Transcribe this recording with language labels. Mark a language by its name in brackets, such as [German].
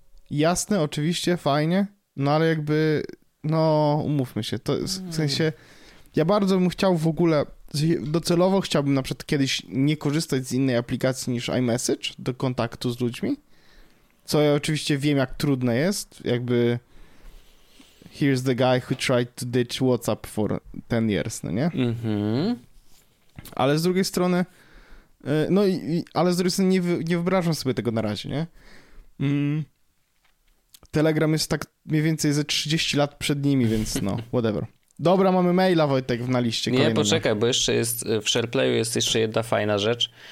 [Polish] Jasne, oczywiście, fajnie, no ale jakby, no umówmy się, to w sensie ja bardzo bym chciał w ogóle docelowo chciałbym na przykład kiedyś nie korzystać z innej aplikacji niż iMessage do kontaktu z ludźmi, Co ja oczywiście wiem, jak trudne jest. Jakby [English] here's the guy who tried to ditch WhatsApp for 10 years, [Polish] no nie? Mhm. Ale z drugiej strony, no i, ale z drugiej strony nie wyobrażam sobie tego na razie, nie? Mm. Telegram jest tak mniej więcej ze 30 lat przed nimi, więc no, [English] whatever. [Polish] Dobra, mamy maila, Wojtek, na liście. Nie, kolejnego. Poczekaj, bo jeszcze jest, w SharePlayu jest jeszcze jedna fajna rzecz.